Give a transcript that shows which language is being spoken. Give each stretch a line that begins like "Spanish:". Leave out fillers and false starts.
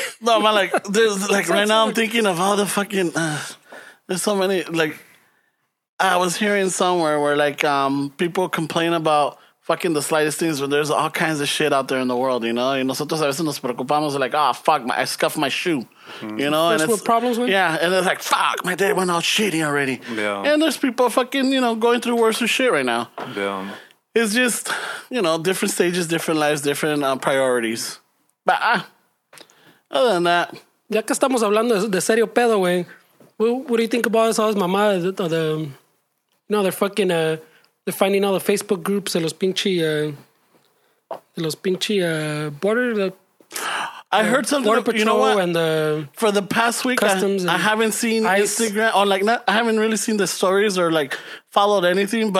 English: No, man, like, right now I'm thinking of all the fucking, there's so many, like, I was hearing somewhere where, like, people complain about fucking the slightest things, but there's all kinds of shit out there in the world, you know?
Spanish: Y nosotros a veces nos preocupamos,
English: like, ah, fuck, I scuffed my shoe, you know? That's what problems with? Yeah, and they're like, fuck, my day went all shitty already. Yeah. And there's people fucking, you know, going through worse shit right now. Yeah. It's just, you know, different stages, different lives, different priorities. But other than that.
Spanish: Ya que estamos hablando de serio pedo, güey.
English: What do you think about this? All this mamá, the, you know, they're fucking, they're finding all the Facebook groups
Spanish: de los pinche
English: border. I heard something. Border Patrol, you know what? And the for the past week, I haven't seen ICE. Instagram or like not. I haven't really seen the stories or like followed anything.